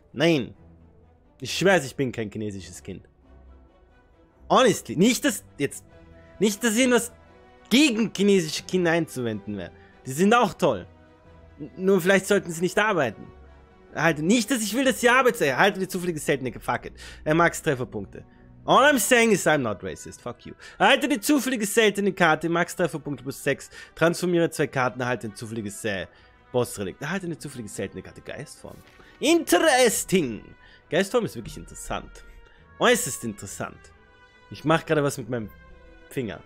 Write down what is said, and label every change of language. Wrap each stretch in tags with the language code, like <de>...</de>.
<de>Nein, ich schwöre es, ich bin kein chinesisches Kind.</de> <en>Honestly,</en> <de>nicht, dass irgendwas gegen chinesische Kinder einzuwenden wäre. Die sind auch toll. Nur vielleicht sollten sie nicht arbeiten. Halt, nicht, dass ich will, dass sie arbeiten. Halt, die zufällige seltene,</de> <en>fuck it.</en> <de>Er mag Trefferpunkte.</de> <en>All I'm saying is I'm not racist, fuck you.</en> <de>Erhalte die zufällige seltene Karte, max Trefferpunkte plus 6, transformiere zwei Karten, erhalte ein zufälliges Boss-Relikt. Erhalte eine zufällige seltene Karte, Geistform.</de> <en>Interesting!</en> <de>Geistform ist wirklich interessant. Äußerst interessant. Ich mache gerade was mit meinem Finger.</de>